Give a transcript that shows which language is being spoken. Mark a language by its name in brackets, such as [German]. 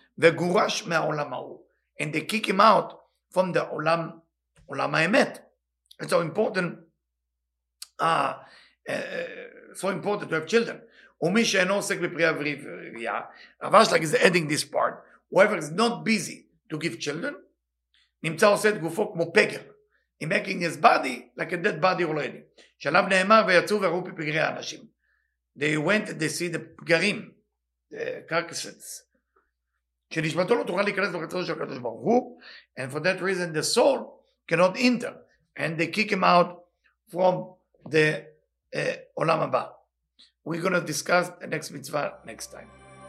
[Hebrew] וגורש מהעולם ההוא. [English] And they kick him out from the עולם, עולם האמת. It's so important, so important to have children. [Hebrew] ומי שאינו עוסק בפרי הרביעה, רבשלג [English] is adding this part, whoever is not busy to give children, [Hebrew] נמצא עושה את גופו כמו פגר. [English] He's making his body like a dead body already. [Hebrew] שלב נאמר ויצאו וראו בפגרי האנשים. [English] They went and they see the פגרים, the carcasses. [Hebrew] שנשמתו לא תוכל להיכנס בחצרו של הקדוש ברוך הוא. [English] And for that reason the soul cannot enter. And they kick him out from the עולם הבא. We're going to discuss the next mitzvah next time.